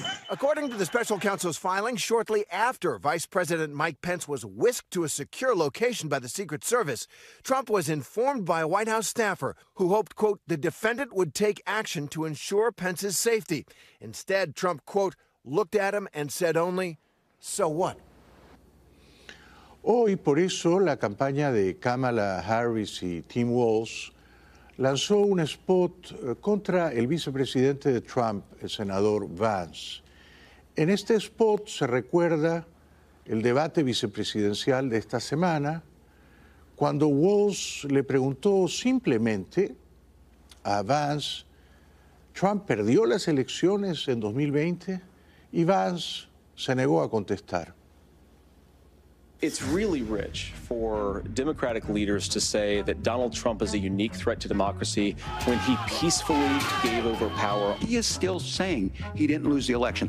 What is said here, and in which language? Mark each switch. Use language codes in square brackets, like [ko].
[en] According to the special counsel's filing, shortly after Vice President Mike Pence was whisked to a secure location by the Secret Service, Trump was informed by a White House staffer who hoped, quote, the defendant would take action to ensure Pence's safety. Instead, Trump, quote, looked at him and said only, so what? [es] Hoy, por eso, la campaña de Kamala Harris y Tim Walz lanzó un spot contra el vicepresidente de Trump, el senador Vance. En este spot se recuerda el debate vicepresidencial de esta semana, cuando Walz le preguntó simplemente a Vance, ¿Trump perdió las elecciones en 2020? Y Vance se negó a contestar. [en] It's really rich for Democratic leaders to say that Donald Trump is a unique threat to democracy when he peacefully gave over power. He is still saying he didn't lose the election.